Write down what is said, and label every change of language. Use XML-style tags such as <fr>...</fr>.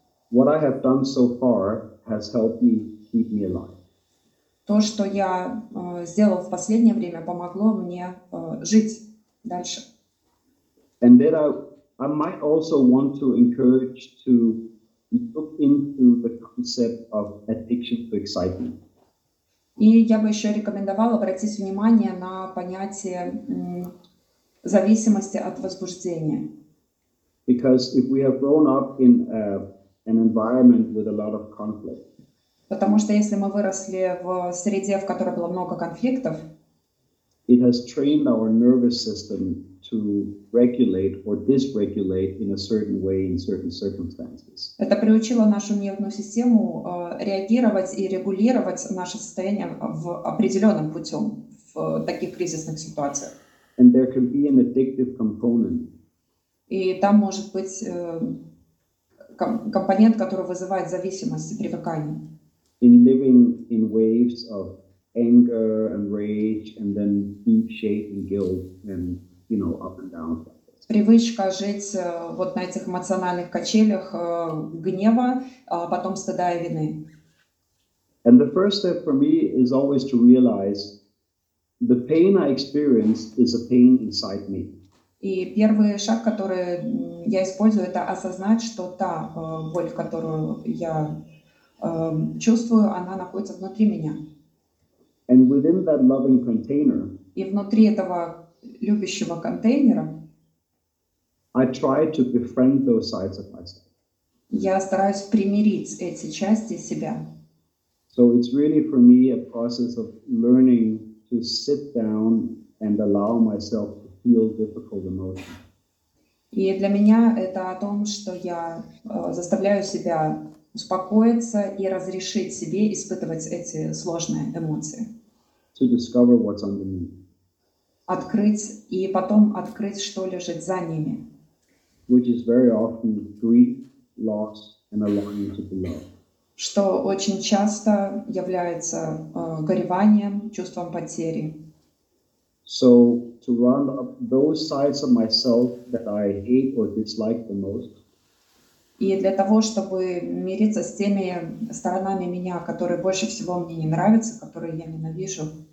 <en>What I have done so far has helped me keep me alive.</en> <ru>То, что я сделал в последнее время, помогло мне жить дальше.</ru> <en>And then I might also want to encourage to look into the concept of addiction to excitement.</en> <ru>И я бы еще рекомендовала обратить внимание на понятие зависимости от возбуждения.</ru> <en>Because if we have grown up in an environment with a lot of conflict.</en> <ru>Потому что если мы выросли в среде, в которой было много конфликтов,</ru> <en>it has trained our nervous system to regulate or dysregulate in a certain way in certain circumstances.</en> <ru>Это приучило нашу нервную систему реагировать и регулировать наше состояние в определенном путем в таких кризисных ситуациях.</ru> <en>And there can be an addictive component.</en> <ru>И там может быть компонент, который вызывает зависимость и привыкание.</ru> <en>In living in waves of anger and rage and then deep shame and guilt and, you know, up and down.</en> <ru>Привычка жить вот на этих эмоциональных качелях гнева, потом стыда и вины.</ru> <en>And the first step for me is always to realize the pain I experience is a pain inside me.</en> <ru>И первый шаг, который я использую, это осознать, что та боль, которую я чувствую, она находится внутри меня.</ru> <en>And within that loving container,</en> <ru>и внутри этого любящего контейнера,</ru> <en>I try to befriend those sides of myself.</en> <ru>Я стараюсь примирить эти части себя.</ru> <en>So it's really for me a process of learning to sit down and allow myself to feel difficult emotions.</en> <ru>И для меня это о том, что я заставляю себя успокоиться и разрешить себе испытывать эти сложные эмоции.</ru> <en>To discover what's underneath.</en> <ru>Открыть и потом открыть, что лежит за ними.</ru> <en>Which is very often grief, loss, and a longing to belong.</en> <ru>Что очень часто является гореванием, чувством потери.</ru> <en>So to round up those sides of myself that I hate or dislike the most.</en> <ru>И для того, чтобы мириться с теми сторонами меня, которые больше всего мне не нравятся, которые я ненавижу.</ru>